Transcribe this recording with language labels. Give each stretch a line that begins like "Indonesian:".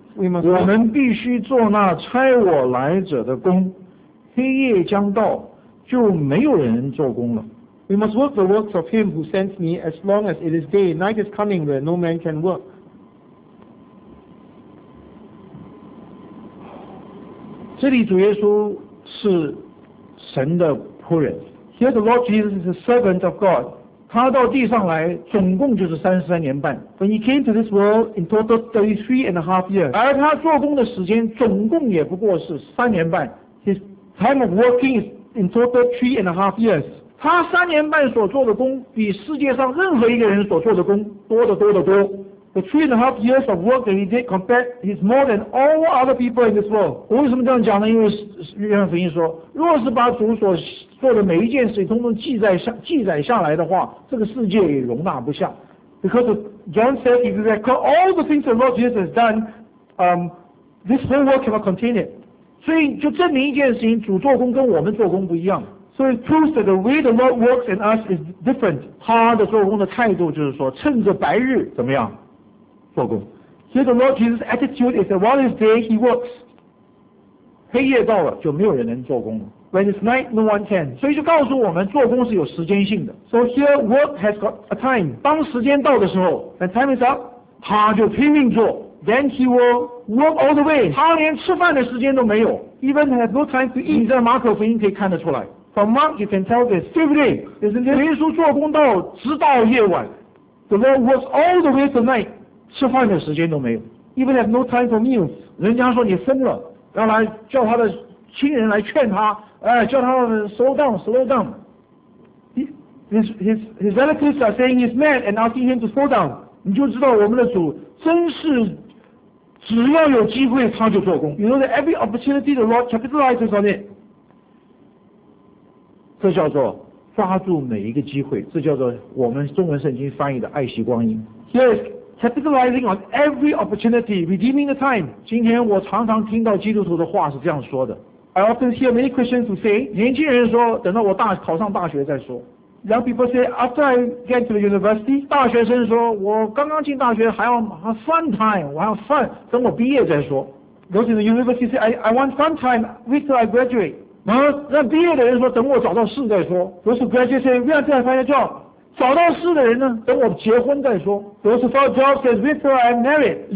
Chinese: 我们必须做那差我来者的工，黑夜将到，就没有人做工了。
English: We must work the works of him who sent me as long as it is day. Night is coming where no man can work.
Chinese: 这里主耶稣是神的仆人。
English: Here the Lord Jesus is a servant of God.
Chinese: 他到地上来总共就是33年半。
English: When he came to this world, in total 33.5 years.
Chinese: 而他做工的时间总共也不过是3年半。
English: His time of working is in total 3.5 years.
Chinese: 他三年半所做的工比世界上任何一个人所做的工多得多得多。
English: The 3.5 years of work that he did compared is more than all other people in this world.
Chinese: 我为什么这样讲呢？因为约翰福音说，若是把主所做的每一件事通通记载下来的话，这个世界也容纳不下。
English: Because John said, if you record all the things the Lord Jesus has done, this whole world cannot contain it.
Chinese: 所以就证明一件事情，主做工跟我们做工不一样。
English: So it proves that the way the Lord works in us is different.
Chinese: 他的做工的态度就是说，趁着白日怎么样做工。
English: Here the Lord Jesus' attitude is that while it's day, he works.
Chinese: 黑夜到了就没有人能做工了。
English: When it's night, no one can.
Chinese: 所以就告诉我们，做工是有时间性的。
English: So here work has got a time.
Chinese: 当时间到的时候
English: ，when time is up,
Chinese: 他就拼命做。
English: Then he will work all the way.
Chinese: 他连吃饭的时间都没有
English: ，even has no time to eat.
Chinese: 你在马可福音可以看得出来。
English: From Mark, you can tell this,
Chinese: 对不对？也是耶稣做工到直到夜晚
English: ，the Lord works all the way to night，
Chinese: 吃饭的时间都没有
English: ，even have no time for meals。
Chinese: 人家说你疯了，要来叫他的亲人来劝他，哎，叫他
English: slow down。 His relatives are saying he's mad and asking him to slow down。
Chinese: 你就知道我们的主真是。只要有机会他就做工。
English: You know that every opportunity the Lord capitalizes on it。
Chinese: 这叫做抓住每一个机会，这叫做我们中文圣经翻译的爱惜光阴。
English: Yes, capitalizing on every opportunity, redeeming the time.
Chinese: 今天我常常听到基督徒的话是这样说的。
English: I often hear many Christians who say,
Chinese: 年轻人说等到我大考上大学再说。
English: Young people say, after I get to the university,
Chinese: 大学生说我刚刚进大学还要
English: fun time,
Chinese: 我还要 fun, 等我毕业再说。
English: Those in the university say, I want fun time, wait till I graduate.
Chinese: 啊，那毕业的人说等我找到事再说。
English: Those who graduate say, wait till I find a job.
Chinese: 找到事的人呢，等我结婚再说。
English: Those who find a job says, wait till I'm married.